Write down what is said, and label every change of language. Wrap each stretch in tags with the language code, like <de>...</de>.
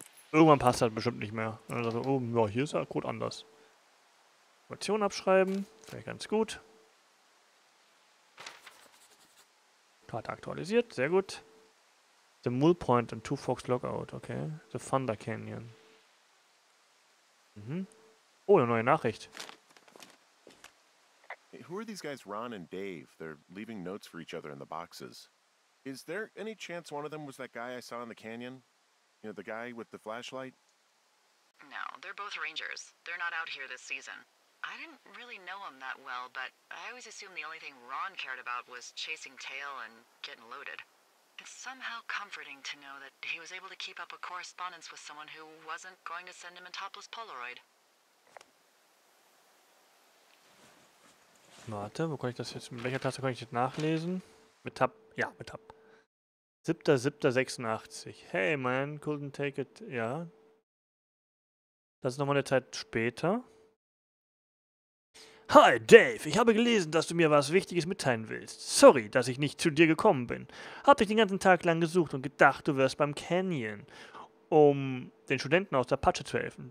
<de>Irgendwann passt das bestimmt nicht mehr. Und dann sagt er, oh, ja, hier ist der Code anders. Information abschreiben, vielleicht ganz gut. Karte aktualisiert, sehr gut.</de> <en>The Mule Point and Two Fox Lookout, okay.</en> <de>The Thunder Canyon. Mhm. Oh, eine neue Nachricht.</de> <en>Who are these guys, Ron and Dave? They're leaving notes for each other in the boxes. Is there any chance one of them was that guy I saw in the canyon? You know, the guy with the flashlight? No, they're both rangers. They're not out here this season. I didn't really know them that well, but I always assumed the only thing Ron cared about was chasing tail and getting loaded. It's somehow comforting to know that he was able to keep up a correspondence with someone who wasn't going to send him a topless Polaroid.</en> <de>Warte, wo kann ich das jetzt, mit welcher Taste kann ich das nachlesen? Mit Tab, ja, mit Tab. 7.7.86.</de> <en>Hey, man, couldn't take it, ja.</en> <de>Das ist nochmal eine Zeit später. Hi, Dave, ich habe gelesen, dass du mir was Wichtiges mitteilen willst. Sorry, dass ich nicht zu dir gekommen bin. Hab dich den ganzen Tag lang gesucht und gedacht, du wärst beim Canyon, um den Studenten aus der Patsche zu helfen.</de>